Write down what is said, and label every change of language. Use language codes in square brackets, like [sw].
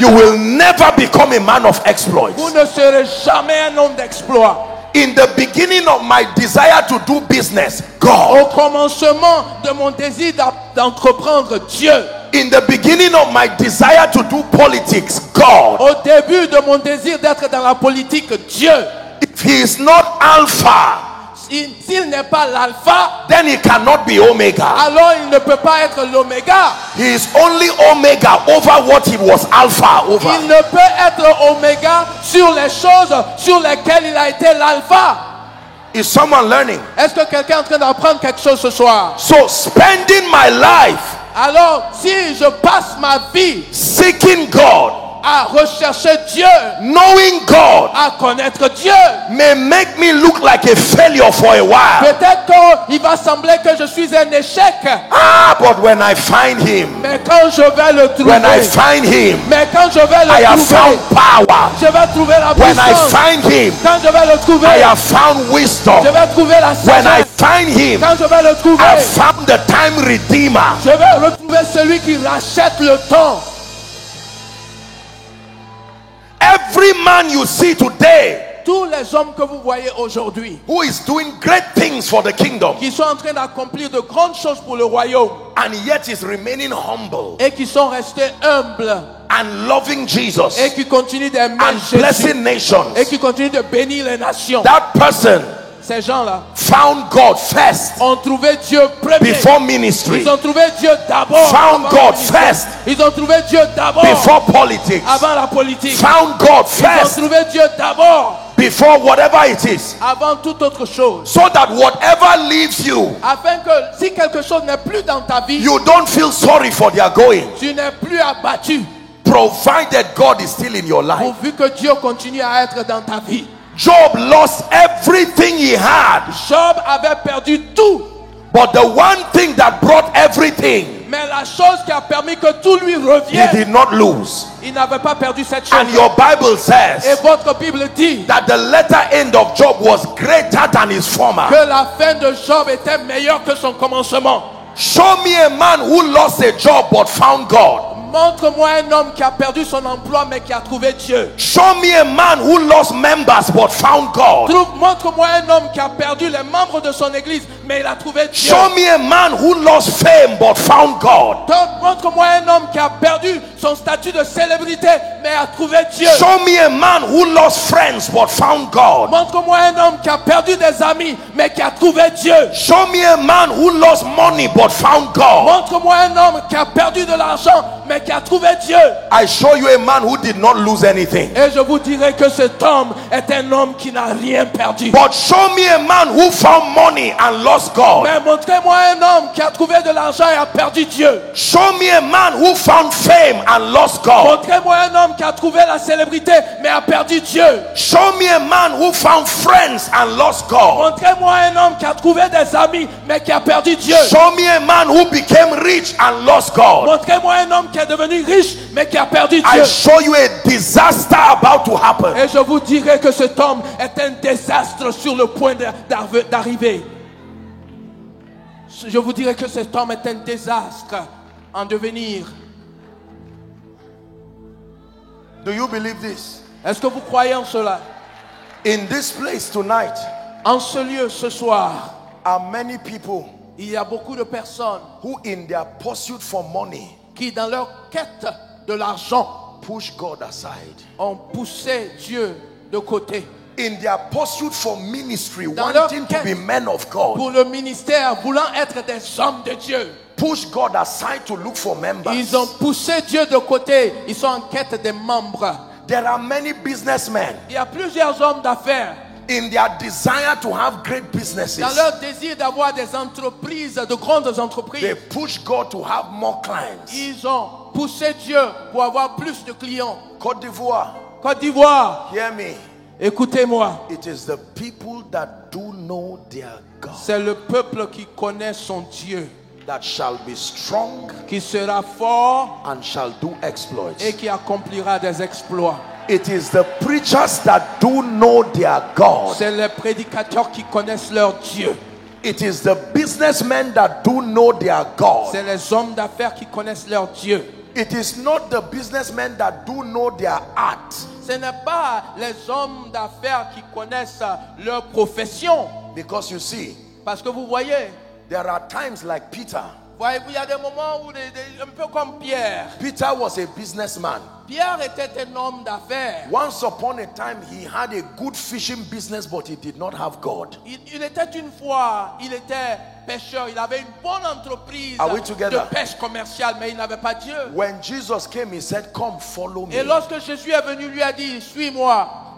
[en] you will never become a man of exploits. [fr] Vous ne serez jamais un homme d'exploits. [en] In the beginning of my desire to do business, God. [fr] Au commencement de mon désir d'entreprendre, Dieu. [en] In the beginning of my desire to do politics, God. [fr] Au début de mon désir d'être dans la politique, Dieu. [en] If he is not Alpha. [fr] S'il n'est pas l'alpha, [en] then he cannot be omega. [fr] Alors il ne peut pas être l'oméga. [en] He is only omega over what he was alpha over. [fr] Il ne peut être omega sur les choses sur lesquelles il a été l'alpha. [en] Is someone learning? [fr] Est-ce que quelqu'un est en train d'apprendre quelque chose ce soir? [en] So spending my life. [fr] Alors si je passe ma vie [en] seeking God. [fr] À rechercher Dieu, [en] knowing God, [fr] à connaître Dieu, [en] may make me look like a failure for a while. [fr] Peut-être qu'il va sembler que je suis un échec. [en] Ah, but when I find Him, [fr] mais quand je vais le trouver, [en] when I find Him, [fr] mais quand je vais le [en] I [fr] trouver, [en] have found power. [fr] Je vais trouver la [en] when [fr] puissance. [en] I find Him, [fr] quand je vais le trouver, [en] I have found wisdom. [fr] Je vais trouver la sagesse. [en] When I find Him, [fr] quand je vais le trouver, [en] I have found the time redeemer. [fr] Je vais retrouver celui qui rachète le temps. [en] Every man you see today, [fr] tous les hommes que vous voyez aujourd'hui, [en] who is doing great things for the kingdom, [fr] qui sont en train d'accomplir de grandes choses pour le royaume, [en] and yet is remaining humble, [fr] et qui sont restés humbles, [en] and loving Jesus, [fr] et qui continuent d'aimer [en] and [fr] Jésus, [en] blessing nations, [fr] et qui continuent de bénir les nations. [en] That person, [fr] ces gens-là, [en] found God first, [fr] ont trouvé Dieu premier, [en] before ministry, [fr] ils ont trouvé Dieu d'abord, [en] found God first, [fr] ils ont trouvé Dieu d'abord, [en] before politics, [fr] avant la politique, [en] found God first, [fr] ils ont trouvé Dieu d'abord, [en] before whatever it is, [fr] avant toute autre chose, [en] so that whatever leaves you, [fr] afin que si quelque chose n'est plus dans ta vie, [en] you don't feel sorry for their going, [fr] tu n'es plus abattu, [en] provided God is still in your life, [fr] pourvu que Dieu continue à être dans ta vie. [en] Job lost everything he had. [fr] Job avait perdu tout. [en] But the one thing that brought everything. [fr] Mais la chose qui a permis que tout lui revienne. [en] He did not lose. [fr] Il n'avait pas perdu cette chose. [en] And your Bible says. [fr] Et votre Bible dit. [en] That the latter end of Job was greater than his former. [fr] Que la fin de Job était meilleure que son commencement. [en] Show me a man who lost a job but found God. [fr] Montre-moi un homme qui a perdu son emploi mais qui a trouvé Dieu. [en] Show me a man who lost members but found God. [fr] Montre-moi un homme qui a perdu les membres de son église mais il a trouvé Dieu. [en] Show me a man who lost fame but found God. [fr] Montre-moi un homme qui a perdu son statut de célébrité mais a trouvé Dieu. [en] Show me a man who lost friends but found God. [fr] Montre-moi un homme qui a perdu des amis mais qui a trouvé Dieu. [en] Show me a man who lost money but found God. [fr] Montre-moi un homme qui a perdu de l'argent. Mais qui a trouvé Dieu. [en] I show you a man who did not lose anything. [fr] Et je vous dirai que cet homme est un homme qui n'a rien perdu. [en] But show me a man who found money and lost. lost God. [fr] Mais montrez-moi un homme qui a trouvé de l'argent et a perdu Dieu. [en] Show me a man who found fame and lost God. [fr] Montrez-moi un homme qui a trouvé la célébrité mais a perdu Dieu. [en] Show me a man who found friends and lost God. [fr] Montrez-moi un homme qui a trouvé des amis mais qui a perdu Dieu. [en] Show me a man who became rich and lost God. [fr] Montrez-moi un homme qui est devenu riche mais qui a perdu Dieu. [en] I show you a disaster about to happen. [fr] Et je vous dirai que cet homme est un désastre sur le point d'arriver. Je vous dirai que cet homme est un désastre en devenir. [en] Do you believe this? [fr] Est-ce que vous croyez en cela? [en] In this place tonight, [fr] en ce lieu ce soir, [en] are many people, [fr] il y a beaucoup de personnes, [en] who in their pursuit for money, [fr] qui dans leur quête de l'argent, [en] push God aside, [fr] ont poussé Dieu de côté. [en] In their pursuit for ministry, dans wanting to be men of God, [fr] pour le ministère, voulant être des hommes de Dieu, [en] push God aside to look for members. [fr] Ils ont poussé Dieu de côté. Ils sont en quête des membres. [en] There are many businessmen. [fr] Il y a plusieurs hommes d'affaires. [en] In their desire to have great businesses, [fr] dans leur désir d'avoir des entreprises, de grandes entreprises, [en] they push God to have more clients. [fr] Ils ont poussé Dieu pour avoir plus de clients. [en] Côte d'Ivoire. [fr] Côte d'Ivoire. [en] Hear me. [fr] Écoutez-moi. [en] It is the people that do know their God. [fr] C'est le peuple qui connaît son Dieu. [en] That shall be strong, [fr] qui sera fort, [en] and shall do exploits, [fr] et qui accomplira des exploits. [en] It is the preachers that do know their God. [fr] C'est les prédicateurs qui connaissent leur Dieu. [en] It is the businessmen that do know their God. [fr] C'est les hommes d'affaires qui connaissent leur Dieu. [en] It is not the businessmen that do know their art. [fr] Ce n'est pas les hommes d'affaires qui connaissent leur profession. [en] Because you see, [fr] parce que vous voyez, [en] there are times like Peter. [fr] Il y a des moments où un peu comme Pierre. [en] Peter was a businessman. [fr] Pierre était un homme d'affaires. [en] Once upon a time, he had a good fishing business, but he did not have God. [fr] Il était une fois, il était pêcheur. Il avait une bonne entreprise de pêche commerciale, mais il n'avait pas Dieu. [en] When Jesus came, he said, "Come, follow me." [fr] Et lorsque Jésus est venu, lui a dit, "Suis-moi."